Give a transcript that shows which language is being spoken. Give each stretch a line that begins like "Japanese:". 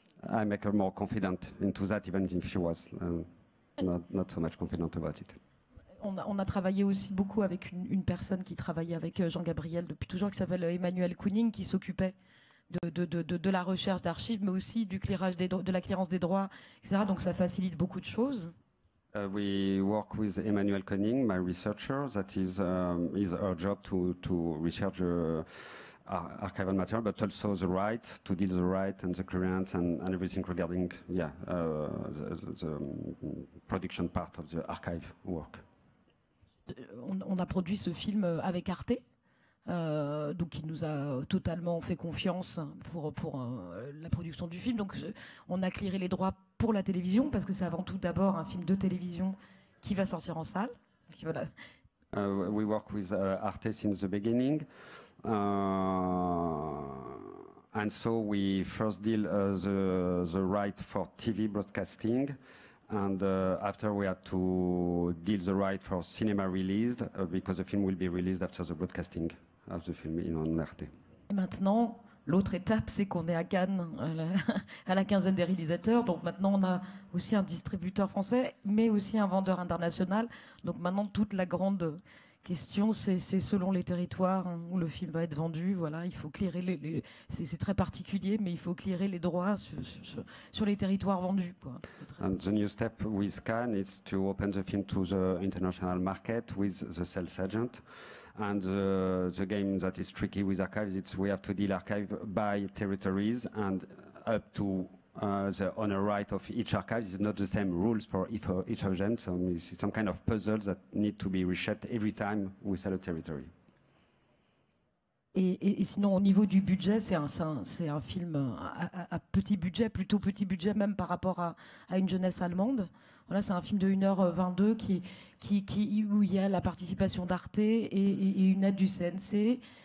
English: I make her more confident into that, even if she was not so much confident about it.
French: On a travaillé aussi beaucoup avec une personne qui travaillait avec Jean-Gabriel depuis toujours, qui s'appelle Emmanuel Kooning, qui s'occupait de la recherche d'archives, mais aussi du clairage de la clairance des droits, etc. Donc ça facilite beaucoup de choses.
English: We work with Emmanuel Kooning, my researcher. That is her job to research archival material, but also the right to deal the right and the clearance and everything regarding the production part of the archive work.
French: On a produit ce film avec Arte, donc il nous a totalement fait confiance pour la production du film. Donc on a clearé les droits pour la télévision, parce que c'est avant tout d'abord un film de télévision qui va sortir en salle. Donc, voilà.
English: We work with Arte since the beginning. And so we first deal the right for TV broadcasting, and after we had to deal the right for cinema released, because the film will be released after the broadcasting of the film in Arte.
French: Et maintenant, l'autre étape, c'est qu'on est à Cannes, à la quinzaine des réalisateurs. Donc maintenant, on a aussi un distributeur français, mais aussi un vendeur international. Donc maintenant, toute la grande question, c'est selon les territoires où le film va être vendu. Voilà, il faut clearer c'est très particulier, mais il faut clearer les droits sur les territoires vendus. Quoi.
English: And the new step with Cannes is to open the film to the international market with the sales agent. And the game that is tricky with archives, it's we have to deal archive by territories, and up to the owner right of each archive. It's not the same rules for each of them. So it's some kind of puzzle that need to be reshaped every time we sell a territory.
French: Et sinon, au niveau du budget, c'est un film à petit budget, plutôt petit budget même par rapport à une jeunesse allemande. Voilà, c'est un film de 1h22 qui où il y a la participation d'Arte et une aide du CNC.